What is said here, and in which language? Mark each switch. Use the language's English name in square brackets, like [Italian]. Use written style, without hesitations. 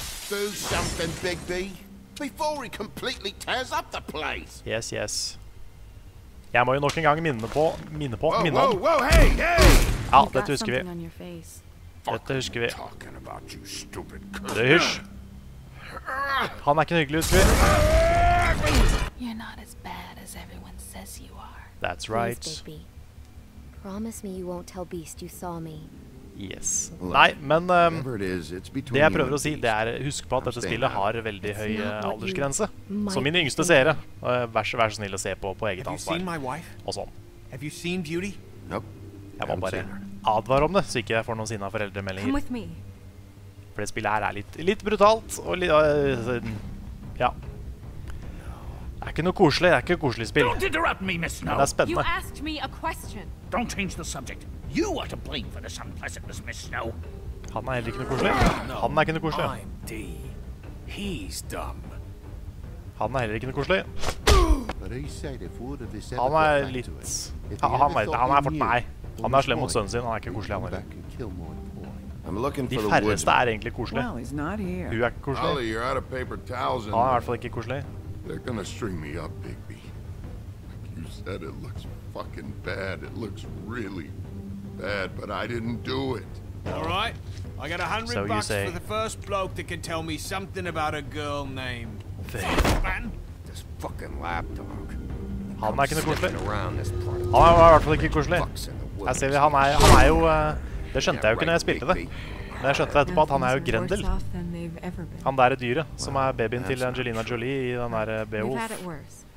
[English] Do something, Big B, before he completely tears up the place. Yes, yes. [Norwegian] Jeg må jo nok en gang minne om. [English] Whoa, whoa, hey, hey! [Norwegian] Ja, dette husker vi. Dette husker vi. Du, hysj. Han er ikke hyggelig, husker vi. [English] You're not as bad as everyone says you are. That's right. Please, baby. Promise me you won't tell Beast you saw me. Yes. [Norwegian] Nei, men det jeg prøver å si, det er husk på at dette spillet har veldig høy aldersgrense. Som mine yngste seere. Vær så snill å se på eget ansvar. Og sånn. Jeg må bare advare om det, så ikke jeg får noen sinne av foreldremeldinger. Kom med meg. For det spillet her er litt brutalt, og litt... ja. Det er ikke noe koselig, det er ikke et koselig spill. [English] Don't interrupt me, Miss Snow! [Norwegian] Men det er spennende. [English] You asked me a question. Don't change the subject. You are to blame for this unpleasantness, Miss Snow. [Norwegian] Han er heller ikke noe koselig. Han er ikke noe koselig. [English] I'm D. He's dumb. [Norwegian] Han er heller ikke noe koselig. Han er litt... han er fort nei. Han er slem mot sønnen sin, han er ikke koselig han er. De færreste er egentlig koselige. Hun er ikke koselig. Han er i hvert fall ikke koselig. [English] They're gonna string me up, Bigby. Like you said, it looks fucking bad. It looks really bad, but I didn't do it. Alright, I got 100 bucks for the first bloke that can tell me something about a girl named... [Norwegian] Fan! [English] This fucking lapdog. [Norwegian] Han er ikke noe koselig. Han er i hvert fall ikke koselig. Her ser vi, han er jo... Det skjønte jeg jo ikke når jeg spilte det. Men jeg skjønte etterpå at han er jo Grendel. Han der er dyret, som er babyen til Angelina Jolie i den der Beowulf.